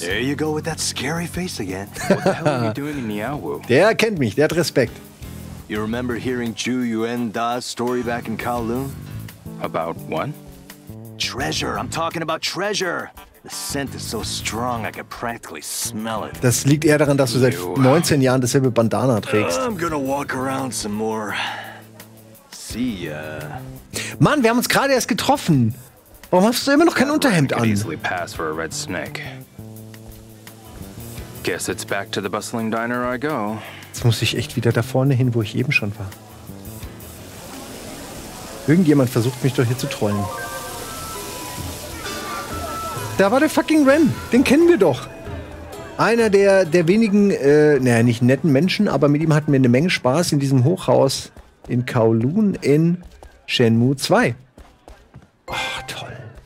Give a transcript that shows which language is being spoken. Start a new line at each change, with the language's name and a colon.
English: There you go with that scary face again. What the hell are you doing in Niaowu?
German: Der kennt mich, der hat Respekt.
English: You remember hearing Zhu Yuan Da's story back in Kowloon? About what? Treasure, I'm talking about treasure. The scent is so strong, I can practically smell it.
German: Das liegt eher daran, dass du seit 19 Jahren dasselbe Bandana trägst.
English: I'm gonna walk around some more. See ya.
German: Mann, wir haben uns gerade erst getroffen. Warum hast du immer noch kein Unterhemd an?
English: Easily pass for a red snake. Guess it's back to the bustling diner I go.
German: Jetzt muss ich echt wieder da vorne hin, wo ich eben schon war. Irgendjemand versucht mich doch hier zu trollen. Da war der fucking Ren. Den kennen wir doch. Einer der wenigen, naja, nicht netten Menschen, aber mit ihm hatten wir eine Menge Spaß in diesem Hochhaus in Kowloon in Shenmue 2. Ach, toll.